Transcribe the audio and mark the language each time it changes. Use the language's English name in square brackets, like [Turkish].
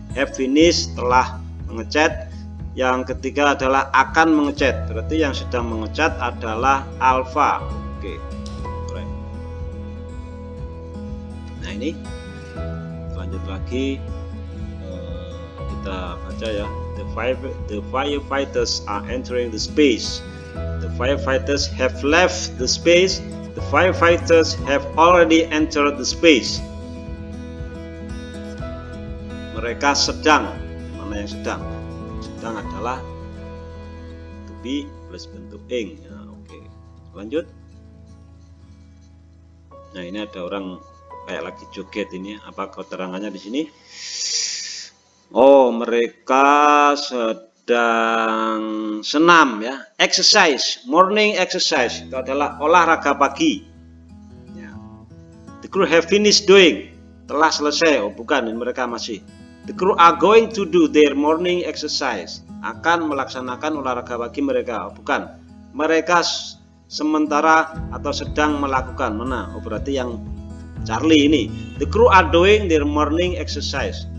[Indonesian] Have finished, telah mengecat. Yang ketiga adalah akan mengecat. Berarti yang sedang mengecat adalah Alpha. Oke. Nah, ini lanjut lagi, kita baca ya. [English] The firefighters are entering the space. The firefighters have left the space. The firefighters have already entered the space. [Indonesian] Mereka sedang, mana yang sedang? Sedang adalah to be plus bentuk ing. Ya, oke. Lanjut. Nah, ini ada orang kayak lagi joget ini. Apa keterangannya di sini? Oh, mereka sedang senam ya. [English] Exercise, morning exercise. [Indonesian] Itu adalah olahraga pagi. Ya. The crew have finished doing. Telah selesai. Oh, bukan, ini mereka masih. [English] The crew are going to do their morning exercise. [Indonesian] Akan melaksanakan olahraga pagi mereka. Oh, bukan. Mereka sementara atau sedang melakukan. Mana? Oh, berarti yang Charlie ini. [English] The crew are doing their morning exercise.